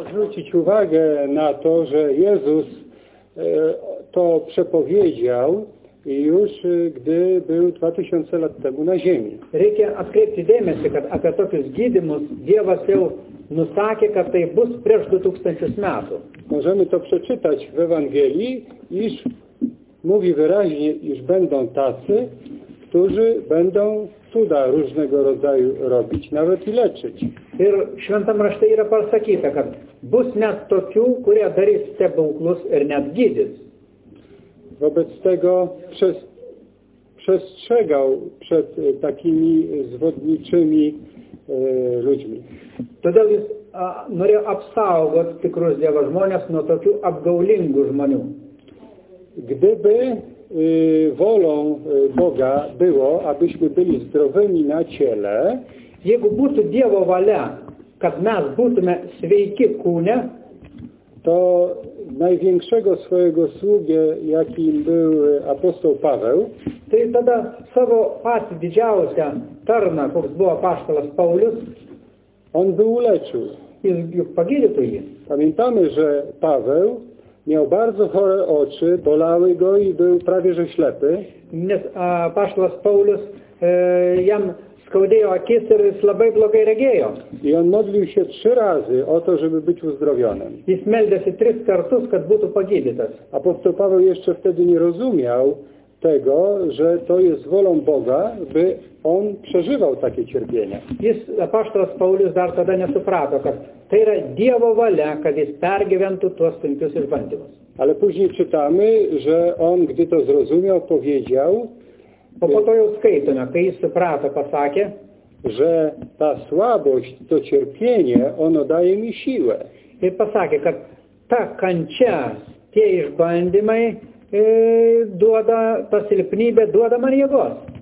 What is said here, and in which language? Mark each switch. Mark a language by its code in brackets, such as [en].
[pl] Zwrócić uwagę na to, że Jezus to przepowiedział już, gdy był 2000 lat temu na ziemi. [lt] Reikia atkreipti dėmesį, kad apie tokius gydymus Dievas jau nusakė, kad tai bus prieš 2000 metų. [pl] Możemy to przeczytać w Ewangelii, iż mówi wyraźnie, iż będą tacy, którzy będą cuda różnego rodzaju robić, nawet i leczyć. [lt] Ir šventam rašte yra pasakyta, kad bus net tokių, kurie darys stebuklus ir net gydys. [pl] Wobec tego przestrzegał przed takimi zwodniczymi ludźmi. [lt] Todėl jis norėjo apsaugot tikrus dievo žmonės nuo tokių apgaulingų žmonių. [pl] Gdyby wolą Boga było, abyśmy byli zdrowymi na ciele, [lt] jeigu būtų dievo valia, kad mes būtume sveiki kūne, [pl] to największego swojego sługę, jakim był apostoł Paweł, [lt] tai tada savo patį didžiausią tarną, koks buvo apaštalas Paulius, [pl] on by uleczył. [lt] Jis pagydytų jį. [pl] Pamiętamy, że Paweł miał bardzo chore oczy, bolały go i był prawie że ślepy. [lt] Nes apaštalas Paulius jam skaudėjo akis ir jis labai blogai regėjo. [pl] I on modlił się 3 razy o to, żeby być uzdrowionym. [lt] Jis meldėsi 3 kartus, kad būtų pagydytas. [pl] Apostoł Paweł jeszcze wtedy nie rozumiał tego, że to jest wolą Boga, by on przeżywał takie cierpienia. [lt] Jis, apaštalas Paulius, dar tada nesuprato, kad tai yra Dievo valia, kad jis pergyventų tuos sunkius išbandymus. [pl] Ale później czytamy, że on, gdy to zrozumiał, powiedział, [lt] po to jau skaitome, kai jis suprato, pasakė, [pl] że ta słabość, to cierpienie, ono daje mi siłę. [lt] Ir pasakė, kad ta kančia, tie išbandymai, duoda, ta silpnybė duoda man jėgos.